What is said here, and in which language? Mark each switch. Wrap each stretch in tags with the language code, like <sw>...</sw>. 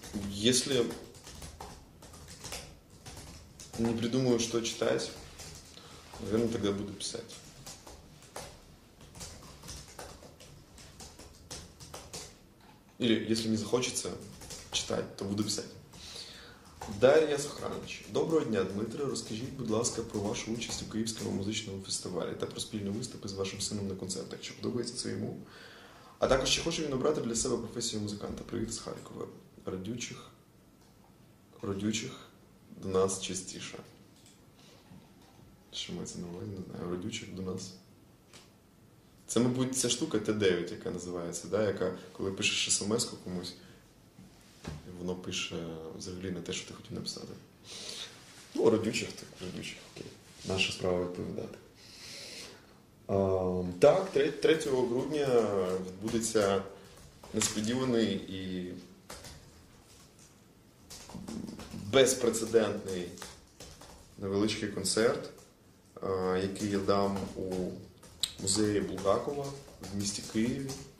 <ru>Если не придумаю, что читать, наверное, тогда буду писать. Или, если не захочется читать, то буду писать. Дарья Сохранович. Доброго дня, Дмитрий.</ru> <uk>Расскажите, будь ласка, про вашу участь в Киевском музичному фестивалі та про спільний виступ із вашим сином на концертах. Чи подобається це йому? А також, чи хоче він обрати для себе професію музиканта? Привіт з Харкова. Родючих до нас частіше. Що мається на увазі? Не знаю. Родючих до нас. Це, мабуть, ця штука Т9, яка називається, да? Яка, коли пишеш смс-ку комусь, воно пише взагалі не те, що ти хотів написати. Ну, родючих, так, родючих, окей. Наша справа відповідати. Так, 3 грудня відбудеться несподіваний і безпрецедентний невеличкий концерт, який я дам у музеї Булгакова в місті Києві.</uk>